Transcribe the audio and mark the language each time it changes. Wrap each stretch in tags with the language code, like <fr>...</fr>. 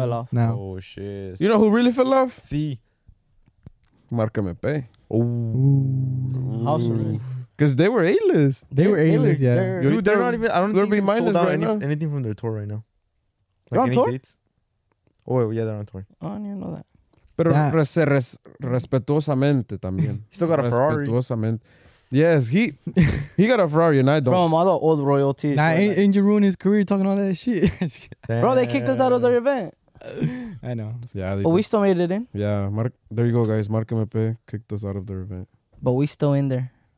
<en>fell off now? Oh, shit. You know who really fell off?</en> <es>Sí.</es> <en>Marca Mepe. Oh. House of Because they were A-list. They were A-list, yeah. They're not even sold out anything from their tour right now. Like on any tour? Dates? Oh, yeah, they're on tour. I don't even know that.</en> <es>Pero respetuosamente también.</es> <en>He still got a Ferrari.</en> <es>Respetuosamente.</es> <en>Yes, he got a Ferrari and I don't. From all the old royalties. Nah, ain't you ruining his career talking all that shit? Bro, they kicked us out of their event. I know. Yeah, but we still made it in. Yeah, Mark, there you go, guys. Mark MP kicked us out of their event. But we still in there.</en>